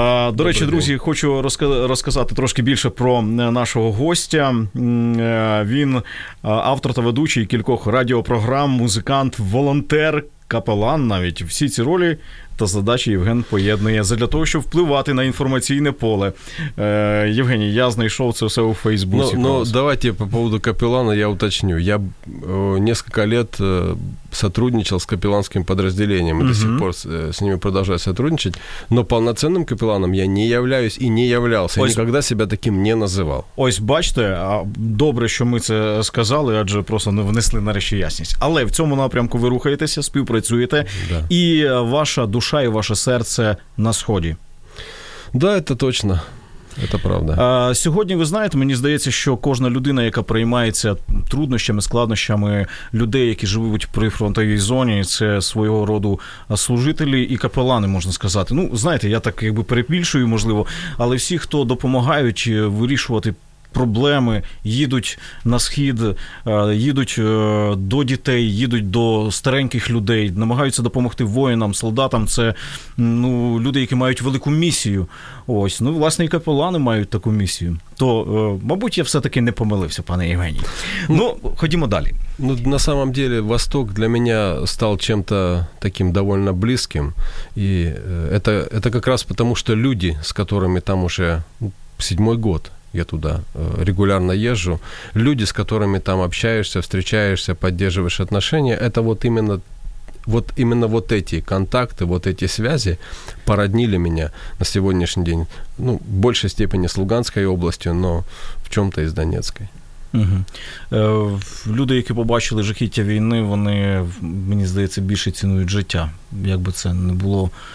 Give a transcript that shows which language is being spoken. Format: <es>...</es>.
<uk>До речі, друзі, хочу розказати трошки більше про нашого гостя. Він автор та ведучий кількох радіопрограм, музикант, волонтер, капелан навіть. Всі ці ролі та задачі Євген поєднує для того, щоб впливати на інформаційне поле. Євгеній, я знайшов це все у Фейсбуці.</uk> <ru>Ну, давайте по поводу капелана я уточню. Я несколько лет сотрудничал с капеланским подразделением и до сих пор с ними продолжаю сотрудничать, но полноценным капеланом я не являюсь и не являлся. Ось, я никогда себя таким не называл.</ru> <uk>Ось, бачите, добре, що ми це сказали, адже просто не внесли нарешті ясність. Але в цьому напрямку ви рухаєтеся, співпрацюєте, да. І ваша душа і ваше серце на сході.</uk> <ru>Да, это точно. Это правда.</ru> <uk>Сьогодні, ви знаєте, мені здається, що кожна людина, яка приймається труднощами, складнощами людей, які живуть в прифронтовій зоні, це свого роду служителі і капелани, можна сказати. Ну, знаєте, я так якби перебільшую, можливо, але всі, хто допомагають вирішувати проблеми, їдуть на схід, їдуть до дітей, їдуть до стареньких людей, намагаються допомогти воїнам, солдатам. Це, ну, люди, які мають велику місію. Ось, ну, власне, і капелани мають таку місію. То, мабуть, я все-таки не помилився, пане Євгеній. Ну, ходімо далі.</uk> <ru>Ну, на самом деле, Восток для меня стал чем-то таким довольно близким. И это как раз потому, что люди, с которыми там уже седьмой год, я туда регулярно езжу, люди, с которыми там общаешься, встречаешься, поддерживаешь отношения, это вот именно вот эти контакты, вот эти связи породнили меня на сегодняшний день, ну, в большей степени с Луганской областью, но в чем-то и с Донецкой. Угу.</ru> <uk>Люди, які побачили жахіття війни, вони, мені здається, більше цінують життя, якби це не було.</uk>